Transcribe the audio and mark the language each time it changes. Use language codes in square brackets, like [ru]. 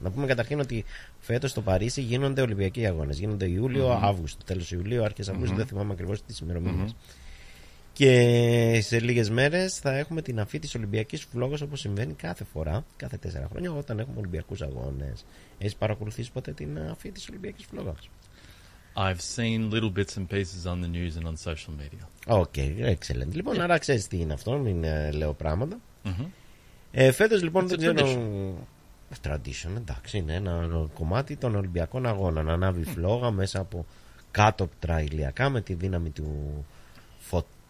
[el] Να πούμε καταρχήν ότι φέτος στο Παρίσι γίνονται Ολυμπιακοί Αγώνες. Γίνονται Ιούλιο, mm-hmm. Αύγουστο, τέλος Ιουλίου, αρχές Αυγούστου, mm-hmm. δεν θυμάμαι ακριβώς τις ημερομηνίες. Mm-hmm. Και σε λίγες μέρες θα έχουμε την αφή της Ολυμπιακής Φλόγας, όπως συμβαίνει κάθε φορά, κάθε τέσσερα χρόνια, όταν έχουμε Ολυμπιακούς Αγώνες. Έχεις παρακολουθήσει ποτέ την αφή της Ολυμπιακής Φλόγας? [en] I've seen little bits and pieces on the news and on social media. Okay, excellent. [el] Λοιπόν, yeah. Άρα ξέρεις τι είναι αυτό, μην λέω πράγματα. Mm-hmm. Φέτος λοιπόν δεν ξέρω. Tradition, εντάξει, είναι ένα κομμάτι των Ολυμπιακών Αγώνων. Ανάβει φλόγα μέσα από κάτω τραϊλιακά με τη δύναμη του φωτό.